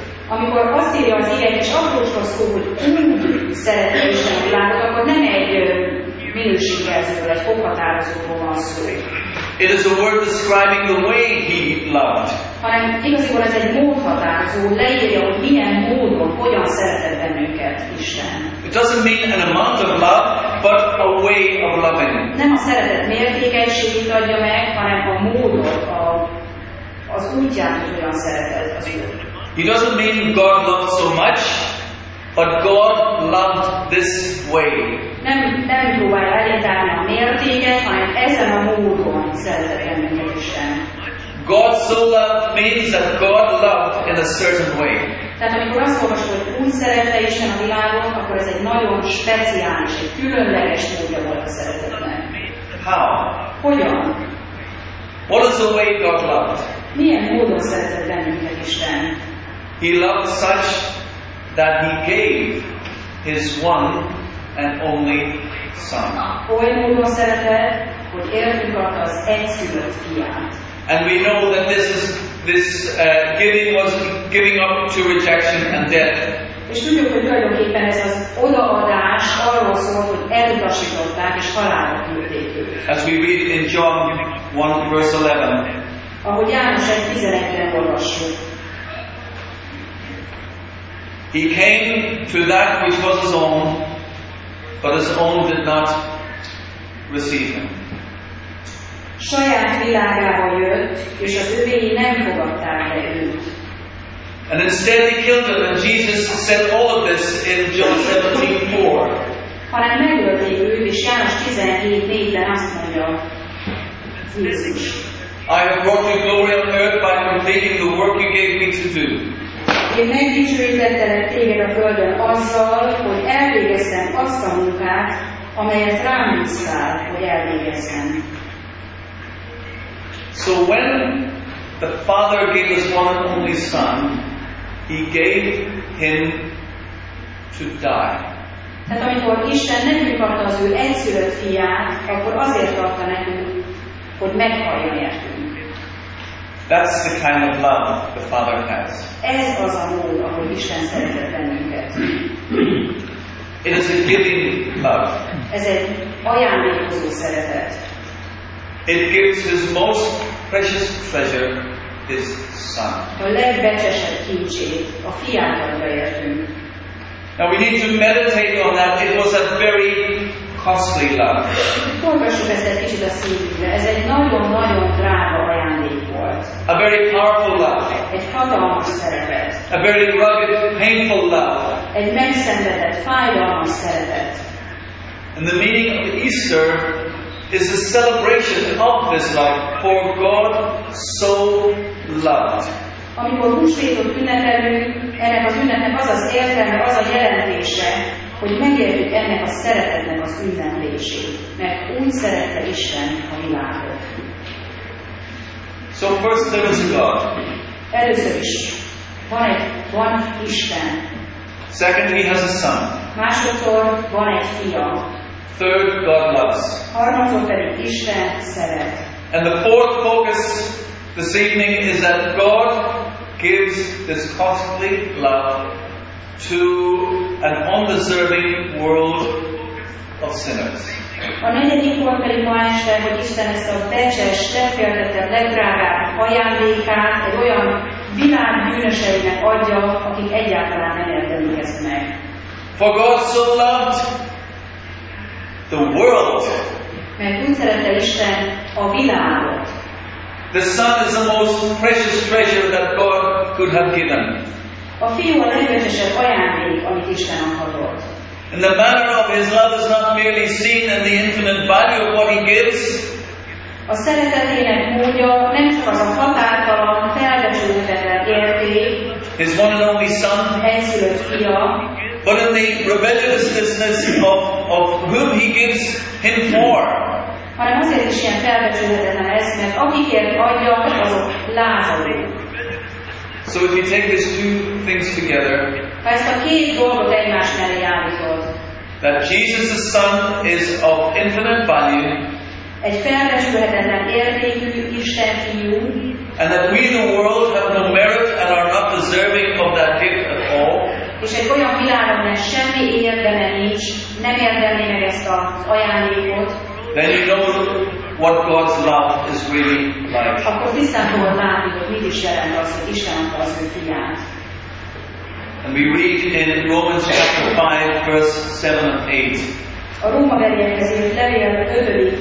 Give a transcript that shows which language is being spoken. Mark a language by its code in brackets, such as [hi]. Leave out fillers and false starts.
[hu] Amikor azt írja az ige, és arról szól, hogy úgy szeret Isten a világot, akkor nem egy minősítőről, egy fokhatározóról van szó. [en] It is a word describing the way he loved. [hu] Hanem igazából ez egy módhatározó, leírja, hogy milyen módon, hogyan szeretett bennünket Isten. [en] It doesn't mean an amount of love, but a way of loving. [hu] Nem a szeretet mértékenységét adja meg, hanem a módot, az útját, hogy olyan szeretett az Úr. [en] It doesn't mean God loved so much, but God loved this way. [hu] Nem próbálja elintálni a mértéket, hanem ezen a módon szeretett bennünket Isten. [en] God so loved means that God loved in a certain way. [hu] Tehát amikor azt olvasod, hogy úgy szerette Isten a világot, akkor ez egy nagyon speciális, egy különleges módja volt a szeretetnek. [en] How? [hu] Hogyan? [en] What is the way God loved? [hu] Milyen módon szeretett bennünket Isten? [en] He loved such that he gave his one and only son. [hu] Oly módon szeretett, hogy értünk adta az egyszülött fiát. [en] And we know that this giving was giving up to rejection and death. [hu] És tudjuk, hogy tulajdonképpen ez az odaadás arról szól, hogy elutasították és halálra küldték őt. [en] As we read in John 1 verse 11. [hu] Ahogy János 1:11-ben olvassuk. [en] He came to that which was his own, but his own did not receive him. [hu] Saját világába jött, és az övéi nem fogadták el őt. [en] And instead he killed him, and Jesus said all of this in John 17:4. [hu] Hanem megölték őt, és János 17:4-ben azt mondja, Jézus. [en] I have brought you glory on earth by completing the work you gave me to do. [hu] Én megdicsőítettelek téged a Földön azzal, hogy elvégeztem azt a munkát, amelyet rám bíztál, hogy elvégezzem. [en] So when the Father gave his one and only Son, he gave him to die. [hu] Tehát amikor Isten nekünk adta az ő egyszülött fiát, akkor azért adta nekünk, hogy meghalljon értünk. [en] That's the kind of love the Father has. [hu] Ez az a mód, ahogy Isten szeretett bennünket. [en] It is a giving love. [hu] Ez egy ajándékozó szeretet. [en] It gives His most precious treasure, His Son. [hu] A legbecsesebb kincsét, a fiáját értünk. [en] Now we need to meditate on that. It was a very costly love. [hu] Fordítsuk ezt egy kicsit a szívünkre. Ez egy nagyon-nagyon drága ajándék volt. [en] A very powerful love. [hu] Egy hatalmas szeretet. [en] A very rugged, painful love. [hu] Egy megszenvedett, fájdalmas szeretet. [en] And the meaning of Easter is a celebration of this love, for God so loved. [hu] Amikor húsvétot ünnepelünk, ennek az ünnepnek az az értelme, az a jelentése, hogy megértjük ennek a szeretetnek az ünneplését, mert úgy szerette Isten a világot. [en] So first there is God. [hu] Először is van Isten. [en] Second, He has a Son. [hu] Másodszor van egy fia. [en] Third, God loves. [hu] Harmadszor pedig Isten szeret. [en] And the fourth focus this evening is that God gives this costly love to an undeserving world of sinners. [hu] A negyedik pont pedig ma este, hogy Isten ezt a becses, tekintetlen, legdrágább ajándékát egy olyan világ bűnöseinek adja, akik egyáltalán nem érdemlik ezt meg. [en] For God so loved the world. [hu] Mert úgy szerette Isten a világot. [en] The Son is the most precious treasure that God could have given. [hu] A fiú a legbecsesebb ajándék, amit Isten adhatott. [en] And the manner of His love is not merely seen in the infinite value of what He gives. [hu] A szeretetének módja nem csak az a határtalan, felbecsülhetetlen érték. [en] His one and only Son. [hu] Egyszülött fia. [en] But in the rebelliousness of whom He gives Him more. [hu] Hanem azért is ilyen felbecsülhetetlen ez, mert akikért adja, azok lázadnak. [en] So if you take these two things together, [hu] ha ezt a két dolgot egymás mellé állítod, [en] that Jesus the Son is of infinite value, [hu] egy felbecsülhetetlen értékű Isten fiú, [en] and that we the world have no merit and are not deserving of that gift at all, [hu] és egy olyan világon, mert semmi érdeme nincs, nem érdemli meg ezt az ajándékot, [en] then you know what God's love is really like. [hu] Akkor tisztán volt látni, hogy mit is jelent az, hogy Isten adta az ő fiát. [en] And we read in Romans chapter 5, verse 7 and 8. [hu] A Róma beliekhez írt levél 5.